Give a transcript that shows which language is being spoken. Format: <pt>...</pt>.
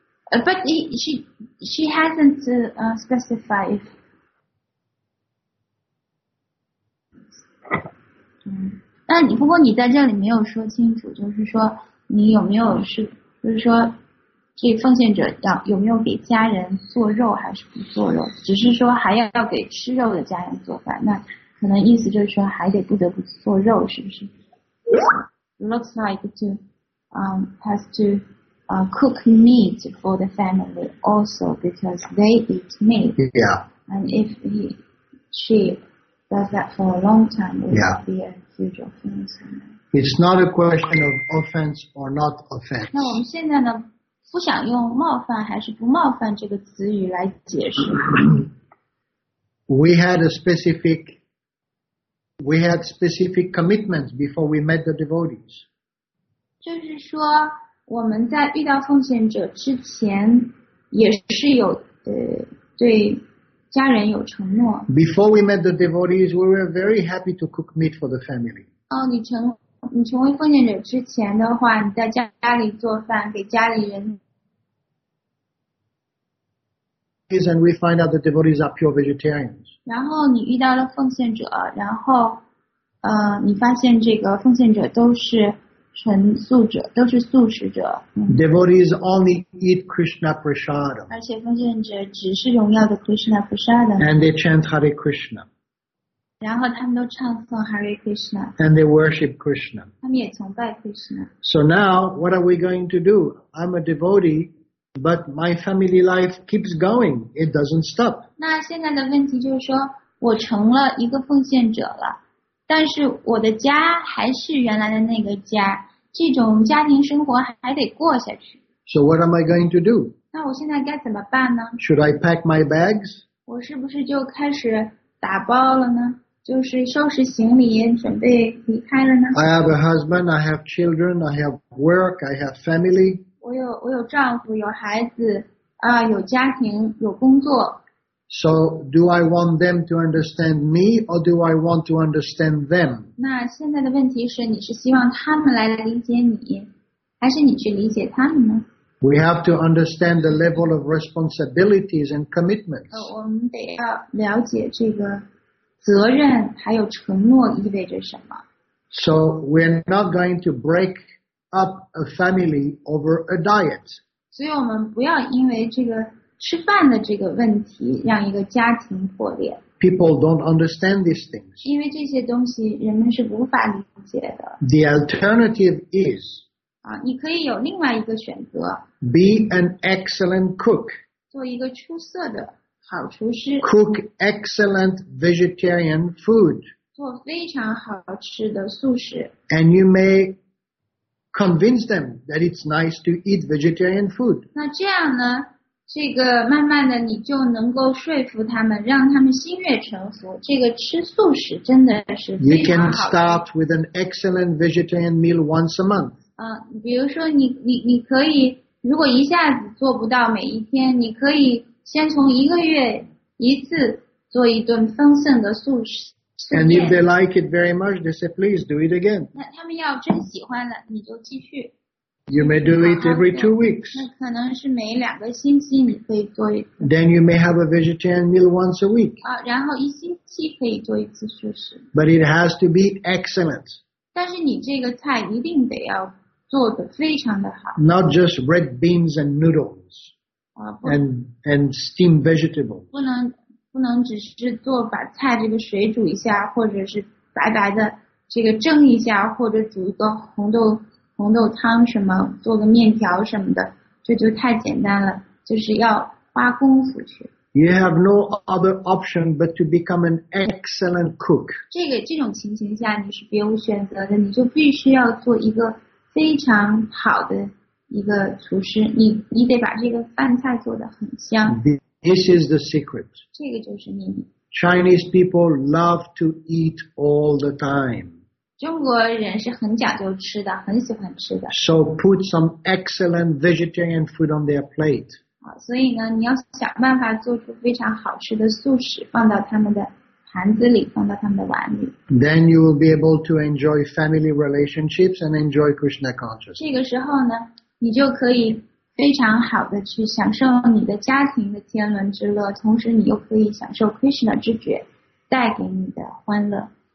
<en>But she hasn't specified if</en> <zh>不过你在这里没有说清楚，就是说你有没有是，就是说这奉献者要有没有给家人做肉还是不做肉，只是说还要给吃肉的家人做饭，那可能意思就是说还得不得不做肉，是不是 ？</zh> <en>Looks like to has to. Cook meat for the family also because they eat meat. Yeah. And if she does that for a long time, it would be a huge offense. It's not a question of offense or not offense.</en> <zh>那我们现在呢，不想用冒犯还是不冒犯这个词语来解释。</zh> <en>We had specific commitments before we met the devotees.</en> <zh>就是说。我们在遇到奉献者之前也是有对家人有承诺。</zh> <en>Before we met the devotees, we were very happy to cook meat for the family.</en> <zh>你成为奉献者之前的话，你在家里做饭给家里人。</zh> <en>And we find out the devotees are pure vegetarians.</en> <zh>然后你遇到了奉献者，然后你发现这个奉献者都是。纯素者都是素食者。</zh> <en>Devotees only eat Krishna prasadam.</en> <zh>而且奉献者只是荣耀的 Krishna prasadam.</zh> <en>And they chant Hare Krishna.</en> <zh>然后他们都唱诵 Hare Krishna.</zh> <en>And they worship Krishna.</en> <zh>他们也崇拜 Krishna.</zh> <en>So now, what are we going to do? I'm a devotee, but my family life keeps going. It doesn't stop.</en> <zh>那现在的问题就是说，我成了一个奉献者了。但是我的家还是原来的那个家，这种家庭生活还得过下去。</zh> <en>So what am I going to do?</en> <zh>那我现在该怎么办呢？</zh> <en>Should I pack my bags?</en> <zh>我是不是就开始打包了呢？就是收拾行李，准备离开了呢？</zh> <en>I have a husband, I have children, I have work, I have family.</en> <zh>我有丈夫，有孩子，有家庭，有工作。</zh> <en>So do I want them to understand me or do I want to understand them?</en> <zh>那现在的问题是你是希望他们来理解你还是你去理解他们呢？</zh> <en>We have to understand the level of responsibilities and commitments.</en> <zh>我们得要了解这个责任还有承诺意味着什么。</zh> <en>So we're not going to break up a family over a diet.</en> <zh>所以我们不要因为这个吃饭的这个问题让一个家庭破裂。</zh> <en>people don't understand these things.</en> <zh>因为这些东西人们是无法理解的。</zh> <en>The alternative is,</en> <zh>你可以有另外一个选择。</zh> <en>Be an excellent cook.</en> <zh>做一个出色的好厨师。</zh> <en>Cook excellent vegetarian food.</en> <zh>做非常好吃的素食。</zh> <en>And you may convince them that it's nice to eat vegetarian food.</en> <zh>那这样呢这个慢慢的你就能够说服他们让他们心悦诚服这个吃素食真的是非常好</zh> <en>You can start with an excellent vegetarian meal once a month.</en> <zh>比如说你可以如果一下子做不到每一天你可以先从一个月一次做一顿丰盛的素食。</zh> <en>And if they like it very much, they say, please do it again.</en> <zh>那他们要真喜欢了你就继续。</zh> <en>You may do it every 2 weeks.</en> <zh>那可能是每两个星期你可以做一次。</zh> <en>Then you may have a vegetarian meal once a week.</en> <zh>然后一星期可以做一次素食。</zh> <en>But it has to be excellent.</en> <zh>但是你这个菜一定得要做得非常的好。</zh> <en>Not just red beans and noodles. And steamed vegetables.</en> <zh>不能只是做把菜这个水煮一下或者是白白的这个蒸一下或者煮一个红豆汤什么做个面条什么的这就太简单了就是要花功夫去。</zh> <en>You have no other option but to become an excellent cook.</en> <zh>这种情形下你是别无选择的你就必须要做一个非常好的一个厨师你得把这个饭菜做得很香。</zh> <en>This is the secret.</en> <zh>这个就是秘密。</zh> <en>Chinese people love to eat all the time.</en> <zh>中国人是很讲究吃的，很喜欢吃的。</zh> <en>So put some excellent vegetarian food on their plate.</en> <zh>所以呢，你要想办法做出非常好吃的素食，放到他们的盘子里，放到他们的碗里。</zh> <en>Then you will be able to enjoy family relationships and enjoy Krishna consciousness.</en> <zh>这个时候呢，你就可以。非常好的去享受你的家庭的天伦之乐同时你又可以享受 Krishna 之觉带给你的欢乐。</zh>